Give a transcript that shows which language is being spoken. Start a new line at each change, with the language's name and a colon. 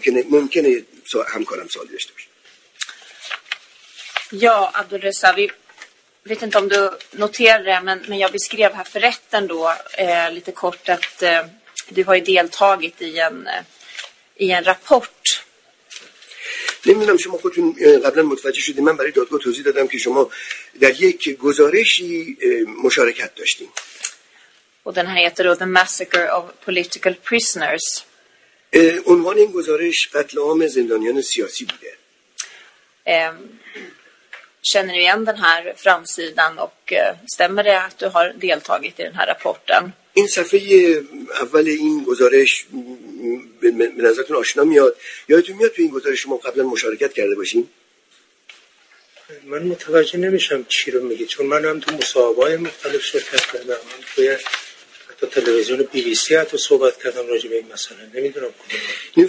Swedish: Men jag är hamkoram. Ja, Abdulrazza, vi vet inte om du noterar det. Men jag beskrev här för rätten då lite kort att du har ju deltagit i en rapport.
Persian: نمیدونم شما خودتون قبلا متوجه شدید من برای دادگاه توضیح دادم که شما در یک گزارشی مشارکت داشتین.
Swedish: و den här heter då The Massacre of Political Prisoners.
Persian: عنوان این گزارش قتل عام زندانیان سیاسی بوده.
Swedish: Känner du igen den här framsidan och stämmer det att du har deltagit i den här rapporten?
Persian: این صفحه اول این گزارش به نظرتون آشنا میاد؟ یادتون میاد تو این گزارش شما قبلا مشارکت کرده باشین؟ من متوجه نمیشم چی رو میگی چون من هم تو مصاحبه‌های مختلف شرکت کردم توی حتی تلویزیون بی بی سی حتی صحبت کردم راجع به این مسئله نمیدونم کدوم